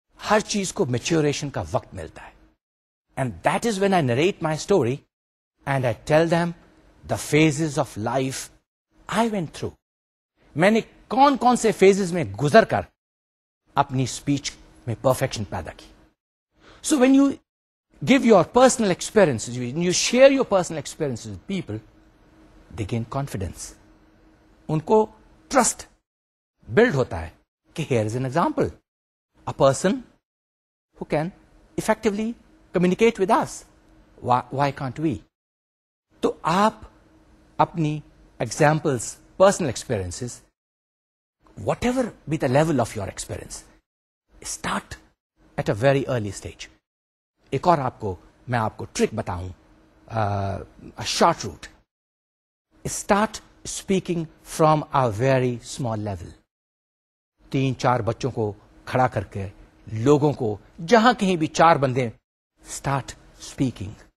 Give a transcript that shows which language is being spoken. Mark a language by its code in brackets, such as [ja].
[ur] ہر چیز کو میچوریشن کا وقت ملتا ہے. [en] And that is when I narrate my story and I tell them the phases of life I went through. [ur] میں نے کون کون سے فیزز میں گزر کر اپنی اسپیچ میں پرفیکشن پیدا کی. [en] So when you give your personal experiences, you share your personal experiences with people, they gain confidence. [ur] Unko trust build hota hai ki [en] here is an example, a person who can effectively communicate with us, why can't we? [ur] To aap apni [en] examples, personal experiences, whatever be the level of your experience, start at a very early stage. [ur] ایک اور آپ کو میں آپ کو truck بتاؤں, short route. [en] Start speaking from a very small level. [ur] 3-4 بچوں کو کھڑا کر کے, لوگوں کو, جہاں کہیں بھی 4 بندے, [en] Start speaking.